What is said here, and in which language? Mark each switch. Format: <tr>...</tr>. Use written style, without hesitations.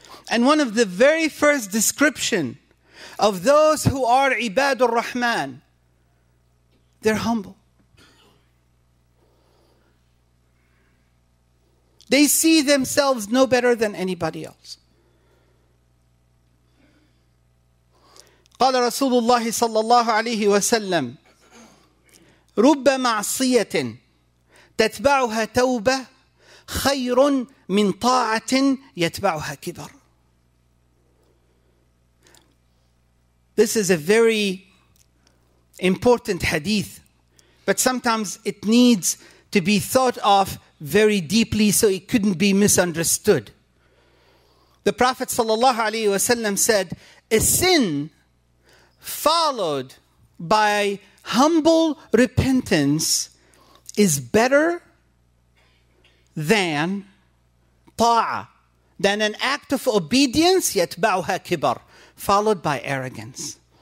<en>And one of the very first description of those who are Ibad Ar-Rahman, they're humble. They see themselves no better than anybody else.</en> <ar>قال رسول الله صلى الله عليه وسلم رب معصية تتبعها توبة خير من طاعة يتبعها كبر.</ar> <en>This is a very important hadith, but sometimes it needs to be thought of very deeply so it couldn't be misunderstood. The Prophet sallallahu alaihi wasallam said, a sin followed by humble repentance is better than ta'a, than an act of obedience,</en> <ar>yatba'uha kibar,</ar> <en>followed by arrogance.</en>